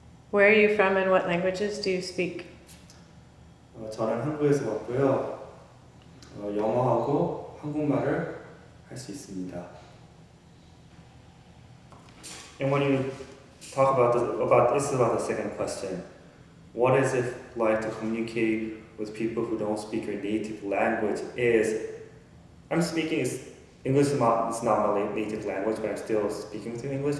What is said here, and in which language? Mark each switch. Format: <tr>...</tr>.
<en>Where are you from and what languages do you speak?</en> <ko>저는 한국에서 왔고요. 영어하고 한국말을 할 수 있습니다.</ko> <en>And when you talk about the second question, what is it like to communicate with people who don't speak your native language? English is not my native language, but I'm still speaking with you in English.</en>